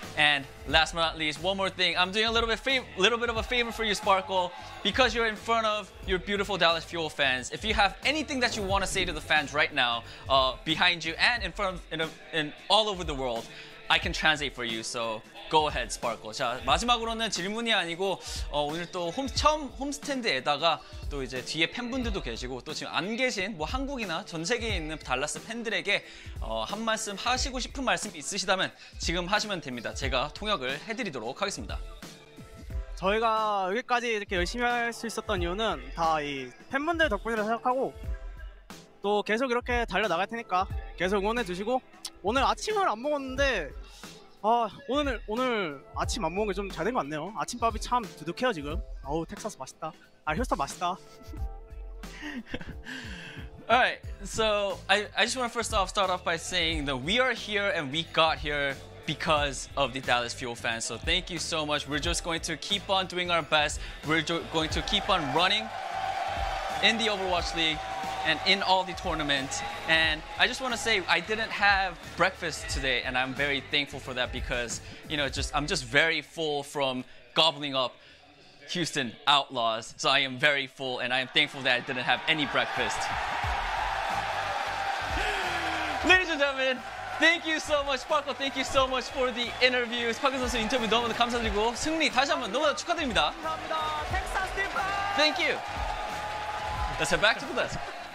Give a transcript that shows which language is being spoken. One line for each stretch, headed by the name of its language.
English: And last but not least, one more thing. I'm doing a little bit of a favor for you, Sparkle, because you're in front of your beautiful Dallas Fuel fans. If you have anything that you want to say to the fans right now, behind you and in front of, in all over the world, I can translate for you, so go ahead, Sparkle.
Korean: 자, 마지막으로는 질문이 아니고 오늘 또 처음 홈스탠드에다가 또 이제 뒤에 팬분들도 계시고 또 지금 안 계신 뭐 한국이나 전 세계에 있는 달라스 팬들에게 한 말씀 하시고 싶은 말씀 있으시다면 지금 하시면 됩니다. 제가 통역을 해드리도록 하겠습니다. 저희가 여기까지 이렇게 열심히 할 수 있었던 이유는 다 이 팬분들 덕분이라고 생각하고 또 계속 이렇게 달려나갈 테니까 계속 응원해 주시고 오늘 아침을 안 먹었는데 오늘 아침 안 먹은 게 좀 잘 된 것 같네요. 아침밥이 참 두둑해요 지금. 아우 텍사스 맛있다. 아 휴스턴 맛있다.
English: Alright, so I just want to first off start off by saying that we are here and we got here because of the Dallas Fuel fans. So thank you so much. We're just going to keep on doing our best. We're going to keep on running in the Overwatch League. And in all the tournaments. And I just want to say, I didn't have breakfast today, and I'm very thankful for that because, you know, I'm just very full from gobbling up Houston Outlaws. So I am very full, and I am thankful that I didn't have any breakfast. Ladies and gentlemen, thank you so much, Sparkle. Thank you so much for the interview.
Korean: Sparkle 선수 인터뷰 너무나 감사드리고, 승리 다시 한번 너무나 축하드립니다. 감사합니다. 텍사스
English: Thank you. Let's head back to the desk.